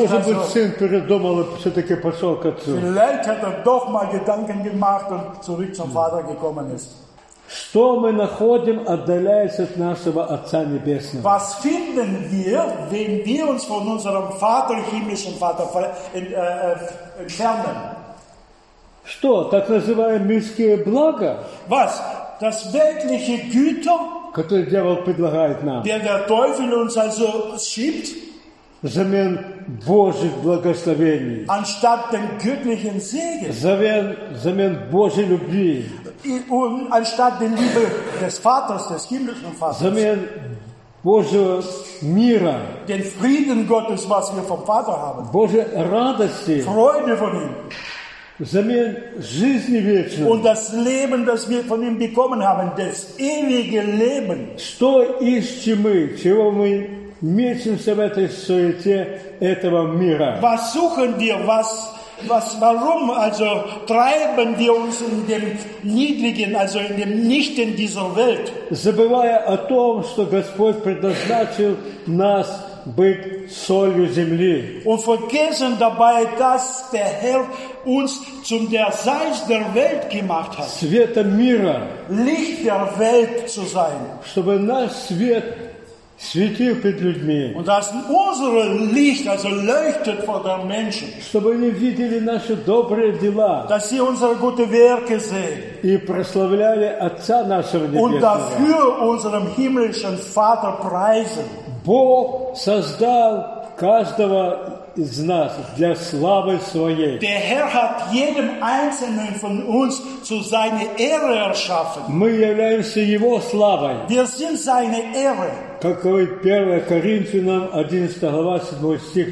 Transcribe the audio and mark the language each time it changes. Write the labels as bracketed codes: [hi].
[ru] Может быть, сын передумал и все-таки пошел к отцу. [de] Vielleicht hat doch mal Gedanken gemacht und zurück zum Vater gekommen ist. [ru] Что мы находим, отдаляясь от нашего Отца Небесного? [de] Was finden wir, wenn wir uns von unserem Vater, himmlischen Vater, entfernen? [ru] Что, так называемые мирские блага? [de] Was? Das weltliche Güter, [ru] которые дьявол предлагает нам, [de] der Teufel uns also schiebt, [ru] взамен Божьих благословений, [de] anstatt den göttlichen Segen, [ru] взамен Божьей любви, [de] und anstatt den Liebe des Vaters, des himmlischen Vaters, [ru] взамен Божьего мира, [de] den Frieden Gottes, was wir vom Vater haben, [ru] Божьей радости, [de] Freude von ihm, [ru] взамен жизни вечной. [de] Und das Leben, das wir von ihm bekommen haben, das ewige Leben. [ru] Что ищем мы, чего мы мечемся в этой суете этого мира? [de] Was suchen wir, warum, also treiben wir uns in dem Niedrigen, also in dem Nichten dieser Welt? [ru] Забывая о том, что Господь предназначил нас быть солью земли. [de] Und vergessen dabei, dass der Herr uns zum der Salz der Welt gemacht hat. [ru] Света мира. [de] Licht der Welt zu sein. [ru] Чтобы наш свет светил перед людьми. [de] Und dass unser Licht also leuchtet vor den Menschen. [ru] Чтобы они видели наши добрые дела. [de] Dass sie unsere guten Werke sehen. [ru] И прославляли Отца нашего Небесного. [de] Und dafür unserem himmlischen Vater preisen. [ru] Бог создал каждого из нас для славы своей. [de] Der Herr hat jedem einzelnen von uns zu seiner Ehre erschaffen. [ru] Мы являемся Его славой. [de] Wir sind seine Ehre. [ru] Как говорит 1 Коринфянам 11 глава 7 стих.